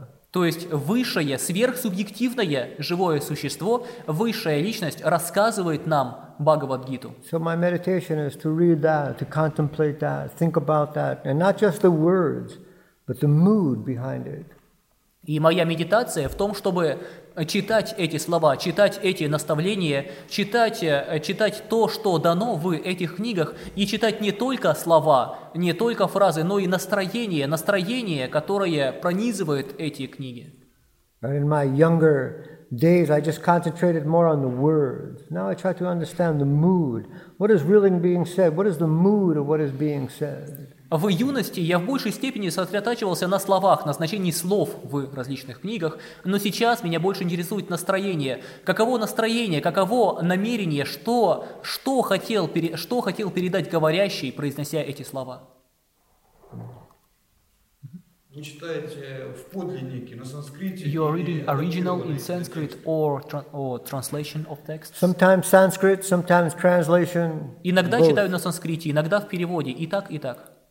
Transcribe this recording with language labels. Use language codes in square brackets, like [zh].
[ru] То есть высшее, сверхсубъективное живое существо, высшая личность рассказывает нам Бхагавад-гиту. [en] So my meditation is to read that, to contemplate that, think about that, and not just the words, but the mood behind it. [ru] И моя медитация в том, чтобы читать эти слова, читать эти наставления, читать то, что дано в этих книгах, и читать не только слова, не только фразы, но и настроение, которое пронизывает эти книги. [en] In my younger days, I just concentrated more on the words. Now I try to understand the mood. What is really being said? What is the mood of what is being said? [ru] В юности я в большей степени сосредотачивался на словах, на значении слов в различных книгах, но сейчас меня больше интересует настроение. Каково настроение, каково намерение, что хотел передать говорящий, произнося эти слова? Вы читаете в подлиннике, на санскрите? [en] You are reading original in Sanskrit or translation of texts? Sometimes Sanskrit, sometimes translation. [ru] Иногда [en] both. [ru] Читаю на санскрите, иногда в переводе, и так, и так.